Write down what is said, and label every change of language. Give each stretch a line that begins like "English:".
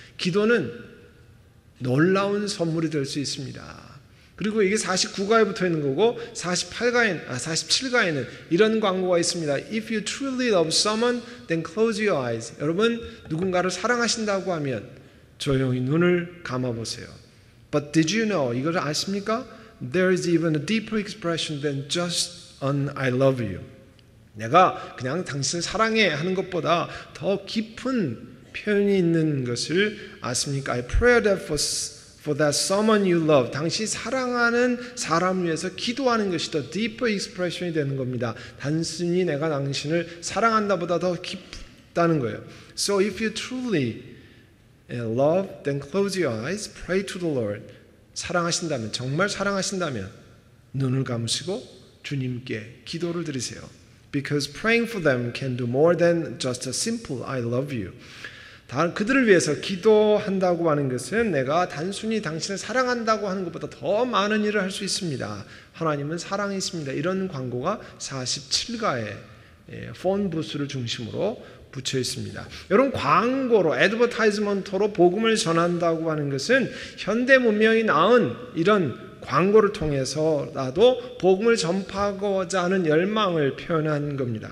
Korean: 기도는 놀라운 선물이 될 수 있습니다. 그리고 이게 49가에 붙어 있는 거고 47가에는 이런 광고가 있습니다.
English: If you truly love someone, then close your eyes.
Korean: 여러분 누군가를 사랑하신다고 하면 조용히 눈을 감아보세요.
English: But did you know,
Korean: 이걸 아십니까?
English: There is even a deeper expression than just an I love you.
Korean: 내가 그냥 당신을 사랑해 하는 것보다 더 깊은 표현이 있는 것을 아십니까?
English: I pray that for that someone you love.
Korean: 당신 사랑하는 사람을 위해서 기도하는 것이 더
English: deeper expression
Korean: 이 되는 겁니다. 단순히 내가 당신을 사랑한다보다 더 깊다는 거예요.
English: So if you truly love, then close your eyes, pray to the Lord.
Korean: 사랑하신다면, 정말 사랑하신다면 눈을 감으시고 주님께 기도를 드리세요.
English: Because praying for them can do more than just a simple I love you.
Korean: 그들을 위해서 기도한다고 하는 것은 내가 단순히 당신을 사랑한다고 하는 것보다 더 많은 일을 할 수 있습니다. 하나님은 사랑이십니다. 이런 광고가 47가의 폰부스를 중심으로 붙여 있습니다. 여러분 광고로, 애드버타이즈먼트로 복음을 전한다고 하는 것은 현대 문명이 낳은 이런 광고를 통해서라도 복음을 전파하고자 하는 열망을 표현한 겁니다.